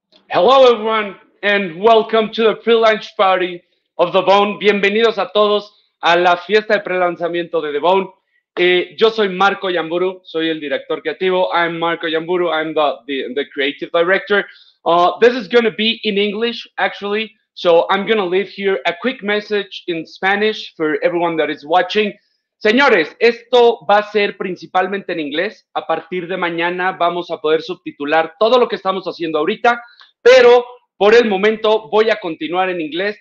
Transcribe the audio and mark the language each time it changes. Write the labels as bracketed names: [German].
[English] Hello everyone and welcome to the pre-launch party of The Bone. [Spanish] Bienvenidos a todos a la fiesta de pre-lanzamiento de The Bone. Yo soy Marco Yamburu, soy el director creativo. [English] I'm Marco Yamburu, I'm the creative director. This is going to be in English, actually. So I'm going to leave here a quick message in Spanish for everyone that is watching. [Spanish] Señores, esto va a ser principalmente en inglés. A partir de mañana vamos a poder subtitular todo lo que estamos haciendo ahorita. Pero por el momento voy a continuar en inglés.